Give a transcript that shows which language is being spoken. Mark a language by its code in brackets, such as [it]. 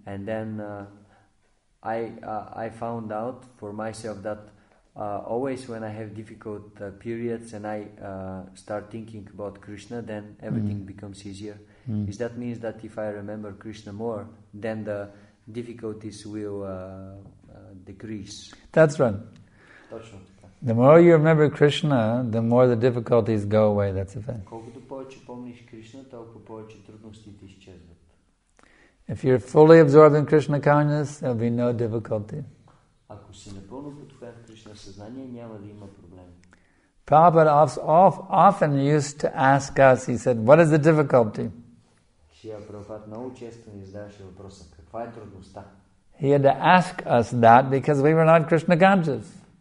[en] And then I found out for myself that always when I have difficult periods and I start thinking about Krishna, then everything becomes easier. Mm. Is that means that if I remember Krishna more, then the difficulties will decrease? That's right. That's right. The more you remember Krishna, the more the difficulties go away. That's a fact. [bg] Колкото повече помниш Кришна, толкова повече трудностите изчезват. [en] If you're fully absorbed in Krishna consciousness, there'll be no difficulty. [bg] Ако си напълно потопен в Кришна съзнание, няма да има проблеми. [en] Prabhupada often used to ask us, he said, what is the difficulty? [bg] Шрила Прабхупада много често ни задаваше въпроса, каква е трудността? [en] He had to ask us that because we were not Krishna conscious.